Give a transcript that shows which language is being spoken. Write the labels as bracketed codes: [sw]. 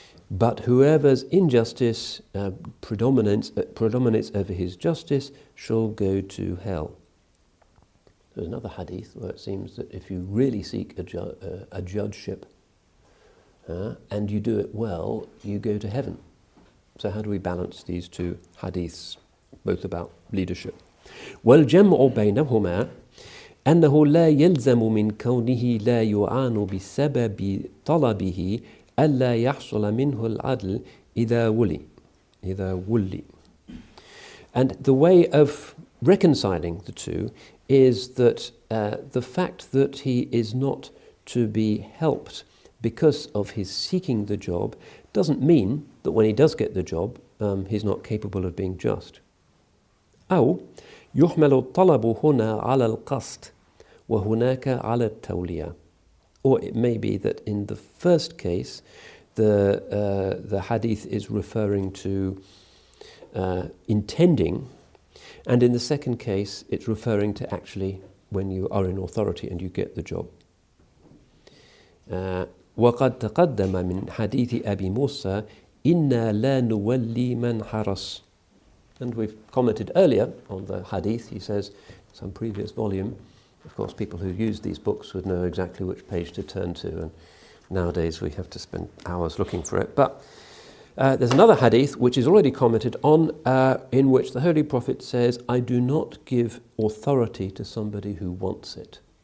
[en] But whoever's injustice predominates over his justice shall go to hell. There's another hadith where it seems that if you really seek a judgeship and you do it well, you go to heaven. So how do we balance these two hadiths, both about leadership? [ar] Well, جَمْعُ بَيْنَهُمَا أنه لا يلزم من كونه لا يعان بسبب طلبه ألا يحصل منه العدل إذا ولي. [en] And the way of reconciling the two is that the fact that he is not to be helped because of his seeking the job doesn't mean that when he does get the job, he's not capable of being just. [ar] أو يحمل الطلب هنا على القصد وهناك على التولية. [en] Or it may be that in the first case, the hadith is referring to intending, and in the second case, it's referring to actually when you are in authority and you get the job. [ar] وقد تقدم من حديث أبي موسى إنا لا نولي من حرس. [en] And we've commented earlier on the hadith, he says, some previous volume. Of course, people who use these books would know exactly which page to turn to, and nowadays we have to spend hours looking for it. But there's another hadith which is already commented on, in which the Holy Prophet says, I do not give authority to somebody who wants it.